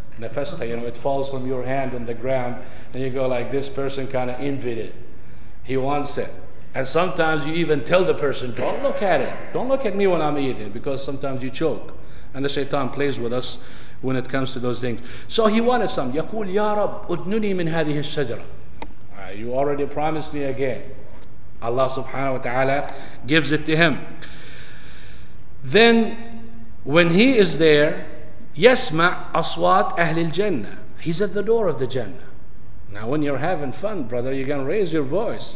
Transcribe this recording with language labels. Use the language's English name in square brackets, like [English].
[English] نفستها, you know, it falls from your hand on the ground, and you go like, this person kind of envied it. He wants it. And sometimes you even tell the person, don't look at it. Don't look at me when I'm eating it, because sometimes you choke. And the shaitan plays with us when it comes to those things. So he wanted some. [Arabic] يقول يا رب ادنني من هذه الشجرة. [English] You already promised me again. Allah subhanahu wa ta'ala gives it to him. Then when he is there, يسمع أصوات أهل الجنة. He's at the door of the Jannah. Now when you're having fun, brother, you can raise your voice.